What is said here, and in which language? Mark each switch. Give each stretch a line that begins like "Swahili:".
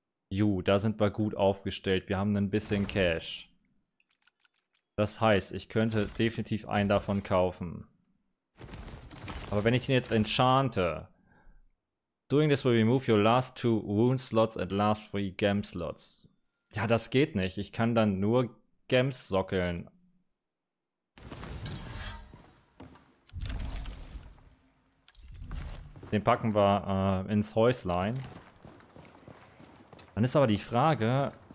German: Ju, da sind wir gut aufgestellt. Wir haben ein bisschen Cash. Das heißt, ich könnte definitiv einen davon kaufen. Aber wenn ich den jetzt enchante.
English: Doing this will remove your last two wound slots and last three gem slots.
German: Ja, das geht nicht. Ich kann dann nur Gems sockeln. Den packen wir ins Häuslein. Dann ist aber die Frage.